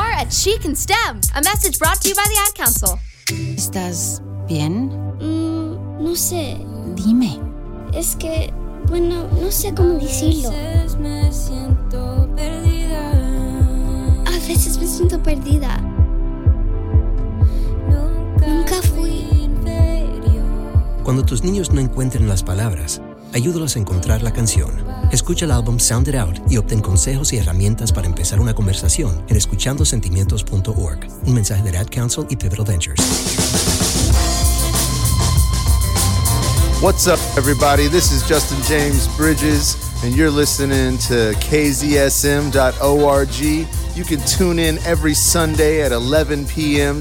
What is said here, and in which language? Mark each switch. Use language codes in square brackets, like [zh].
[en] She Can STEM, a message brought to you by the Ad Council. [es] ¿Estás bien? No sé. Dime. Es que, bueno, no sé cómo decirlo. A veces me siento perdida. A veces me siento perdida. Cuando tus niños no encuentren las palabras, ayúdalos a encontrar la canción. Escucha el álbum Sound It Out y obtén consejos y herramientas para empezar una conversación en escuchandosentimientos.org. Un mensaje de Ad Council y Pivotal Ventures. [en] What's up, everybody? This is Justin James Bridges, and you're listening to KZSM.org. You can tune in every Sunday at 11 p.m.